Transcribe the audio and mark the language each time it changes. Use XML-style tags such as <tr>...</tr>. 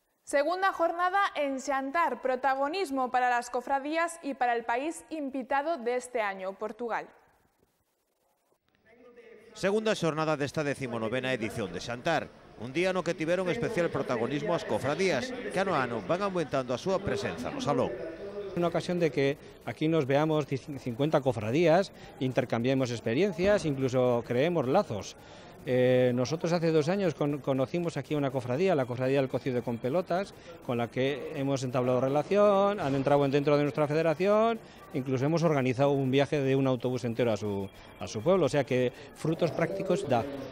<es>Segunda jornada en Xantar, protagonismo para las cofradías y para el país invitado de este año, Portugal.</es> <gl>Segunda xornada desta 19ª edición de Xantar, un día no que tiveron especial protagonismo as cofradías, que ano a ano van aumentando a súa presenza no salón. É unha ocasión de que aquí nos veamos 50 cofradías, intercambiemos experiencias, incluso creemos lazos.</gl> <es>Nosotros hace dos años conocimos aquí una cofradía, la cofradía del cocido con pelotas, con la que hemos entablado relación, han entrado dentro de nuestra federación, incluso hemos organizado un viaje de un autobús entero a su pueblo, o sea que frutos prácticos da.</es>